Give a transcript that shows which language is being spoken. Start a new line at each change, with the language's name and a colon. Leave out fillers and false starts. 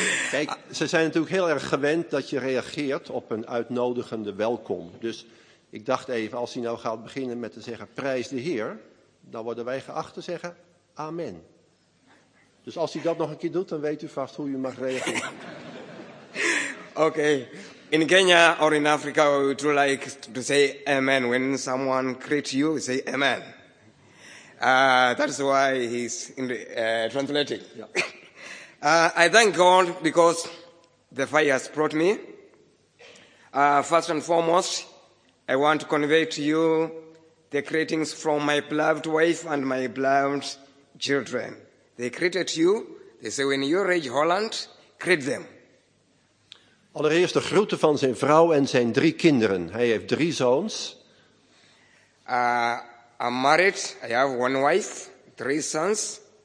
Dutch: Kijk, ze zijn natuurlijk heel erg gewend dat je reageert op een uitnodigende welkom. Dus ik dacht even, als hij nou gaat beginnen met te zeggen prijs de Heer, dan worden wij geacht te zeggen amen. Dus als hij dat nog een keer doet, dan weet u vast hoe u mag reageren. Oké. Okay.
English: In Kenya or in Africa, we would like to say amen. When someone greets you, we say amen. That's why he's in the, translating. Yeah. I thank God because the fire has brought me. First and foremost, I want to convey to you the greetings from my beloved wife and my beloved children. They greeted you. They say when you reach Holland, greet them.
Dutch: Allereerst de groeten van zijn vrouw en zijn drie kinderen. Hij heeft drie zoons.
English: I'm married. I have one wife, three sons.